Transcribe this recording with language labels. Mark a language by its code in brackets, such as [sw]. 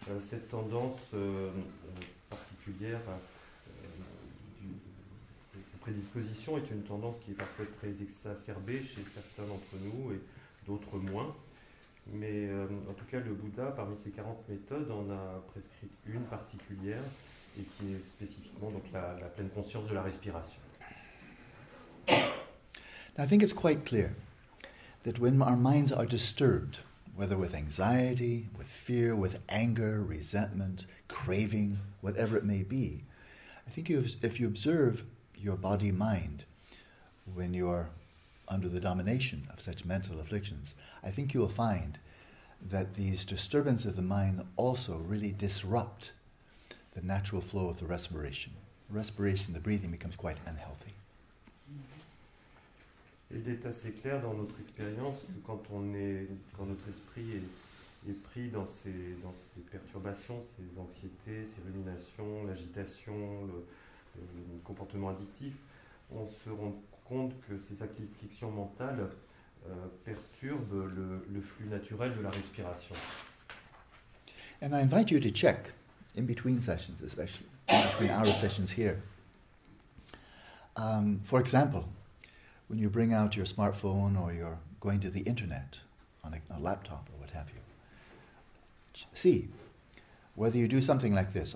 [fr] Cette tendance particulière de prédisposition est une tendance qui est parfois très exacerbée chez certains d'entre nous et d'autres moins. Mais en tout cas, le Bouddha, parmi ses 40 méthodes, en a prescrit une particulière et qui est spécifiquement donc la pleine conscience de la respiration. [en] Now, I think it's quite clear that when our minds are disturbed, whether with anxiety, with fear, with anger, resentment, craving, whatever it may be. I think if you observe your body-mind when you're under the domination of such mental afflictions, I think you will find that these disturbances of the mind also really disrupt the natural flow of the respiration. The respiration, the breathing becomes quite unhealthy. [fr] Il est assez clair dans notre expérience que quand notre esprit est pris dans ces perturbations, ces anxiétés, ces ruminations, l'agitation, le comportement addictif, on se rend compte que ces afflictions mentales perturbent le flux naturel de la respiration. [en] And I invite you to check in between sessions, especially between our sessions here. For example, when you bring out your smartphone or you're going to the internet on a laptop or what have you, see whether you do something like this.